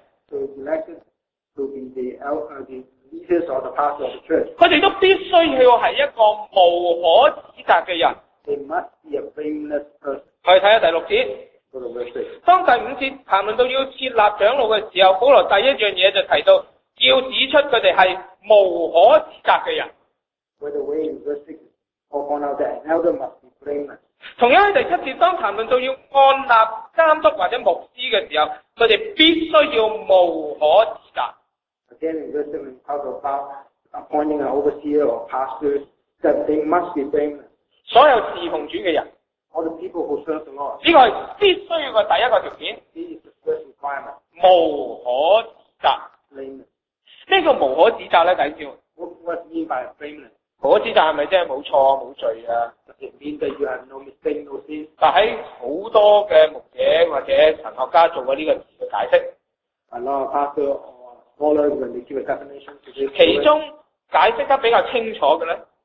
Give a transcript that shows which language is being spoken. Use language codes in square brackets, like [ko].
[en] To be elected to be the leaders or the pastor of the church. [zh] 他们都必须要是一个无可指责的人 [en] They must be a blameless person. [zh] 我们看看第六节当第五节谈论到要设立长老的时候保罗第一件事就提到要指出他们是无可指责的人。 [en] By the way, in verse 6, Paul found out that an elder must be blameless. [zh] 同样在第七节当谈论到要安立监督或者牧师的时候他们必须要无可指责。 [en] Again, in verse 7, talk about appointing an overseer or pastor that they must be blameless. [zh] 所有侍奉主的人。 [en] All the people who serve the Lord. [zh] 这个是必须的第一个条件。 [en] This is the first requirement. [zh] 无可指责。 [en] Blameless. [zh] 什麼叫無可指責呢等一下 [en] What do you mean by a blameless? [zh] 無可指責是不是真的沒錯沒罪啊 [en] Does it mean that you have no mistake, no sin? [zh] 但在很多的牧者或者神學家做過這個詞的解釋 [en] A lot of pastors or scholars when they give a definition to this [zh] 其中解釋得比較清楚的呢